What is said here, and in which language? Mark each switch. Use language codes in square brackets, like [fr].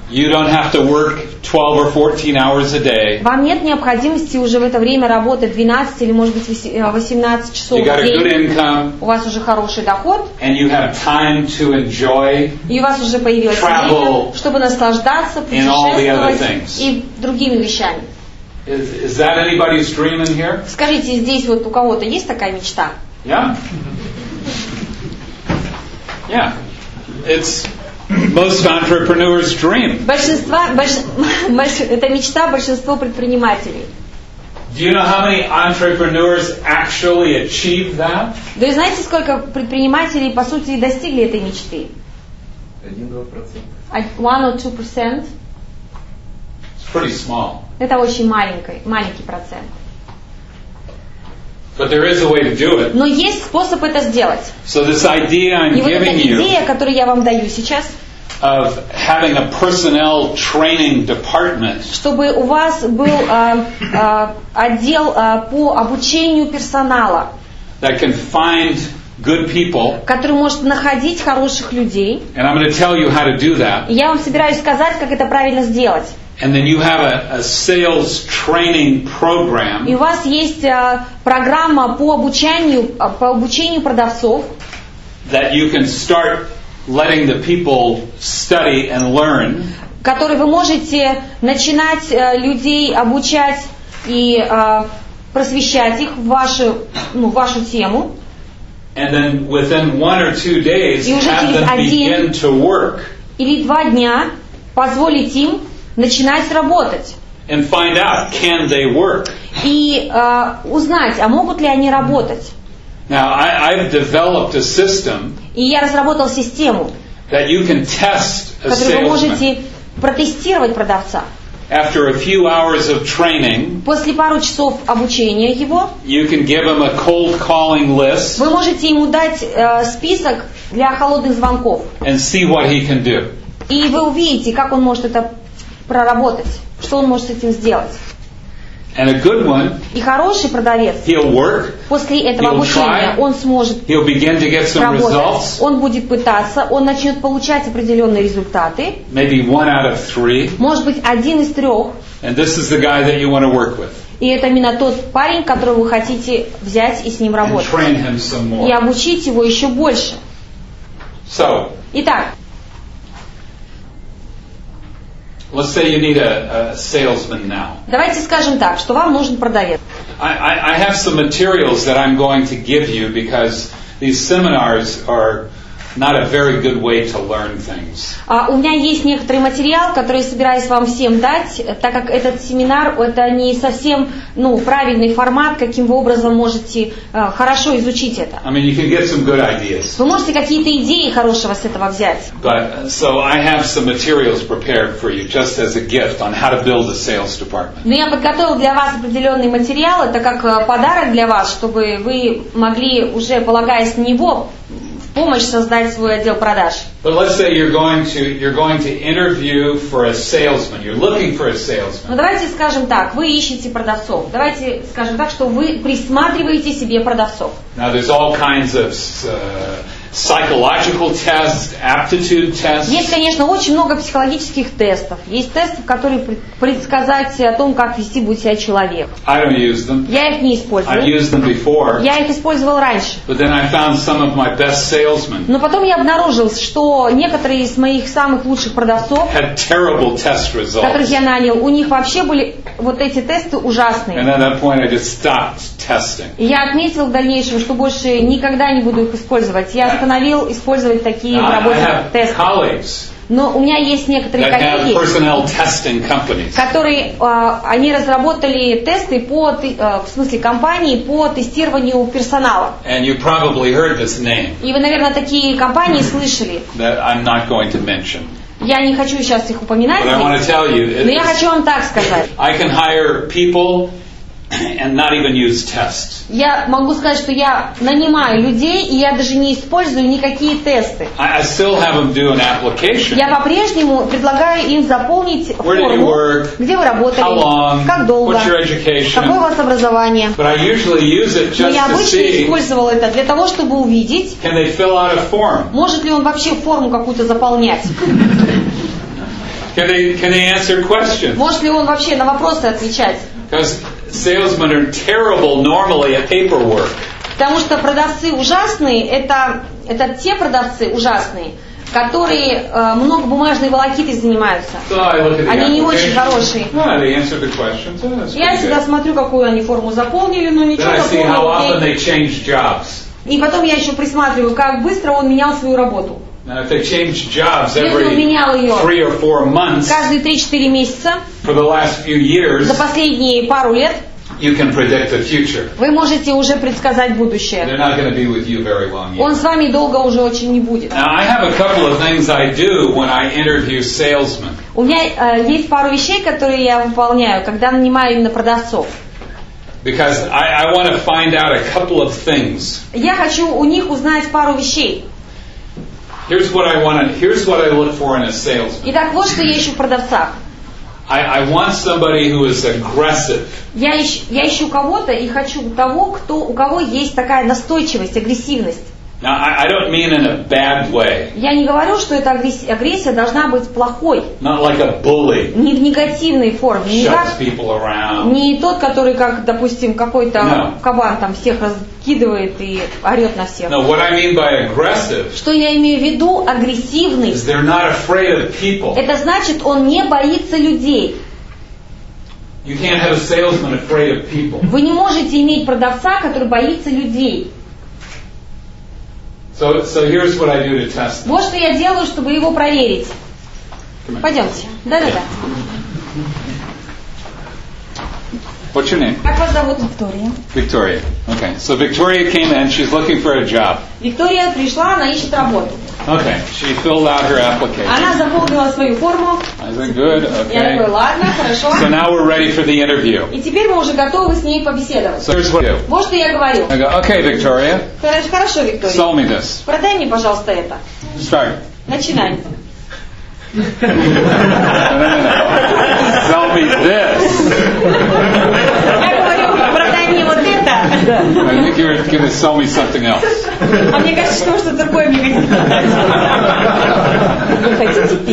[en] You don't have to work 12 or 14 hours a day. [ru] Вам нет необходимости уже в это время работать 12 или, может быть, 18 часов в день. [en] You got a good income. [ru] У вас уже хороший доход. [en] And you have time to enjoy. [ru] И у вас уже появилось время, чтобы наслаждаться, путешествовать и другими вещами. [en] Is that anybody's dream in here? [ru] Скажите, здесь вот у кого-то есть такая мечта? [en] Yeah. Yeah. It's most entrepreneurs' dream. [ru] Это мечта большинства предпринимателей. [en] Do you know how many entrepreneurs actually achieve that? [ru] Да и знаете, сколько предпринимателей по сути достигли этой мечты? [en] 1-2%. 1 or 2%. It's pretty small. [ru] Это очень маленький процент. [en] But there is a way to do it. [ru] Но есть способ это сделать. [en] So this idea I'm [ru] И вот [en] giving [ru] эта идея, которую я вам даю сейчас, [en] of having a personnel training department, [ru] чтобы у вас был отдел по обучению персонала, [en] that can find good people, [ru] который может находить хороших людей, [en] and I'm going to tell you how to do that. [ru] Я вам собираюсь сказать, как это правильно сделать. [en] And then you have a sales training program. [ru] И у вас есть программа по обучению продавцов. [en] That you can start letting the people study and learn. [ru] Который вы можете начинать людей обучать и просвещать их в вашу тему. [en] And then within one or two days, have them begin to work. [ru] Или два дня позволить им начинать работать. [en] And find out, can they work? [ru] И узнать, а могут ли они работать. [en] Now, I've developed a system, [ru] и я разработал систему, [en] that you can test a [ru] которую Вы можете протестировать продавца. [en] After a few hours of training, [ru] после пару часов обучения его, [en] you can give him a cold calling list, [ru] вы можете ему дать список для холодных звонков, [en] and see what he can do. [ru] И вы увидите, как он может это проработать, что он может с этим сделать. [en] And a good one, [ru] и хороший продавец, [en] he'll work, [ru] после этого [en] he'll [ru] обучения, [en] try, [ru] он сможет [en] he'll begin to get some [ru] работать, [en] results. [ru] Он будет пытаться, он начнет получать определенные результаты, [en] maybe one out of three, [ru] может быть, один из трех, [en] and this is the guy that you want to work with. [ru] И это именно тот парень, которого вы хотите взять и с ним работать, [en] and train him some more. [ru] И обучить его еще больше. [en] So, [ru] итак, [en] let's say you need a salesman now. [ru] Давайте скажем так, что вам нужен продавец. [en] I have some materials that I'm going to give you because these seminars are not a very good way to learn things. [ru] У меня есть некоторый материал, который я собираюсь вам всем дать, так как этот семинар это не совсем, правильный формат, каким вы образом можете хорошо изучить это. [en] I mean, you can get some good ideas. [ru] Вы можете какие-то идеи хорошего с этого взять. [en] But so I have some materials prepared for you just as a gift on how to build a sales department. [ru] Но я подготовил для вас определенные материалы, так как подарок для вас, чтобы вы могли уже полагаясь на него помощь создать свой отдел продаж. [en] But let's say you're going to interview for a salesman. You're looking for a salesman. [ru] Ну давайте скажем так, вы ищете продавцов. Давайте скажем так, что вы присматриваете себе продавцов. [en] Now there's all kinds of psychological tests, aptitude tests. [ru] Есть, конечно, очень много психологических тестов. Есть тесты, которые предсказать о том, как вести будет себя человек. [en] I don't use them. [ru] Я их не использую. [en] I've used them before. [ru] Я их использовал раньше. [en] But then I found some of my best salesmen. [ru] Но потом я обнаружил, что некоторые из моих самых лучших продавцов, [en] had terrible test results. [ru] Которых я нанял, у них вообще были вот эти тесты ужасные. [en] And at that point I just stopped testing. [ru] Я отметил в дальнейшем, что больше никогда не буду их использовать. Я остановил использовать такие в работе тесты. Но у меня есть некоторые коллеги, которые они разработали тесты по, в смысле компании по тестированию персонала. [en] And you probably heard this name. [ru] И вы, наверное, такие компании слышали. [en] That I'm not going to mention. [ru] Я не хочу сейчас их упоминать. [en] But I want to tell you, [ru] но я хочу вам так сказать. [en] I can hire people and not even use tests. [ru] Я могу сказать, что я нанимаю людей, и я даже не использую никакие тесты. [en] I still have them do an application. [ru] Я по-прежнему предлагаю им заполнить [en] where [ru] форму. [en] Do you work? [ru] Где вы работали? [en] How long? [ru] Как долго? [en] What's your education? [ru] Какое у вас образование? [en] But I usually use it just [ru] Но я обычно [en] to see, [ru] использовал это для того, чтобы увидеть, [en] can they fill out a form? [ru] Может ли он вообще форму какую-то заполнять. [en] Can they answer questions? [ru] Может ли он вообще на вопросы отвечать? [en] Because salesmen are terrible normally at paperwork. [ru] Потому что продавцы ужасные, это те продавцы ужасные, которые много бумажной волокитой занимаются. [en] So I look at the application. [ru] Они не очень хорошие. [en] No, they answer the questions. [ru] Я всегда смотрю, какую они форму заполнили, но ничего не заполнили. [en] Then I see how often they change jobs. [ru] И потом я еще присматриваю, как быстро он менял свою работу. [en] Now, if they change jobs every 3 or 4 months, [ru] каждые 3-4 месяца, [en] for the last few years, [ru] за последние пару лет, [en] you can predict the future. [ru] Вы можете уже предсказать будущее. [en] They're not going to be with you very long. [ru] Он с вами долго уже очень не будет. [en] Now, I have a couple of things I do when I interview salesmen. [ru] У меня есть пару вещей, которые я выполняю, когда нанимаю именно продавцов. [en] Because I want to find out a couple of things. [ru] Я хочу у них узнать пару вещей. [en] Here's what I look for in a salesman. [ru] Итак, вот что я ищу в продавцах. [en] I want somebody who is aggressive. [ru] Я ищу кого-то и хочу того, кто у кого есть такая настойчивость, агрессивность. [en] Now, I don't mean in a bad way. [ru] Я не говорю, что эта агрессия должна быть плохой. [en] Not like a bully. [ru] Не в негативной форме. [en] Shuts people around. [ru] Не тот, который, как, допустим, какой-то кабан там всех раскидывает и орет на всех. [en] No, what I mean by aggressive, [ru] что я имею в виду агрессивный, [en] is they're not afraid of people. [ru] Это значит, он не боится людей. [en] You can't have a salesman afraid of people. [ru] Вы не можете иметь продавца, который боится людей. [en] So here's what I do to test them. [ru] Вот что я делаю, чтобы его проверить. Пойдемте. Да-да-да. [en] What's your name? [ru] Как вас зовут? Виктория. [en] Виктория. Okay. So Victoria came and she's looking for a job. [ru] Виктория пришла, она ищет работу. [en] Okay. She filled out her application. [ru] Она заполнила свою форму. [en] I said, good. Okay. [ru] Я говорю, ладно, хорошо. [en] So now we're ready for the interview. [ru] И теперь мы уже готовы с ней побеседовать. [en] So here's what I do. [ru] Вот что я говорю. [en] I go, okay, Victoria. [ru] Хорошо, Виктория. [en] Sell me this. [ru] Продай мне, пожалуйста, это. [en] Start. [ru] Начинай. [en] No. Sell me this. [ru] Я говорю, продай мне вот это. [en] I think you're going to sell me something else. [ru] А мне кажется, что что-то другое мне хотят.